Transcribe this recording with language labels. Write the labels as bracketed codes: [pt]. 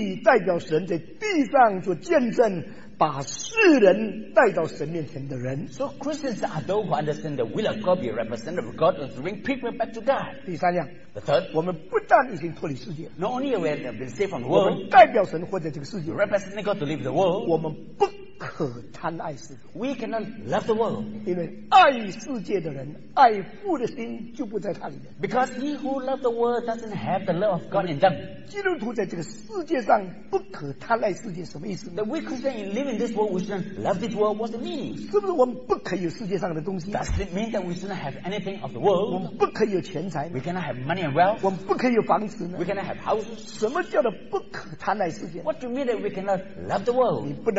[zh] 所以基督徒是明白神的旨意，代表神在地上做见证。把世人带到神面前的人， [en] So Christians are those who understand the will of God, be representative of God, and bring people back to God. [zh] 第三样， [en] The third, [zh] 我们不但已经脱离世界， [en] Not only have we been saved from the world, [zh] 我们代表神活在这个世界， [en] Representing God to live the world, [zh] 我们不可贪爱世界， [en] We cannot love the world. [zh] 因为爱世界的人，爱父的心就不在他里面， [en] Because he who loves the world doesn't have the love of God in them. [zh] 基督徒在这个世界上不可贪爱世界什么意思呢？ [en] That we Christians in living this world, we shouldn't love this world. What's the meaning? [zh] 是不是我们不可以有世界上的东西？ [en] Does it mean that we shouldn't have anything of the world? [zh] 我们不可以有钱财？ [en] We cannot have money and wealth. [zh] 我们不可以有房子呢？ [en] We cannot have houses. [zh] 什么叫做不可贪爱世界？ [en] What do you mean that we cannot love the world?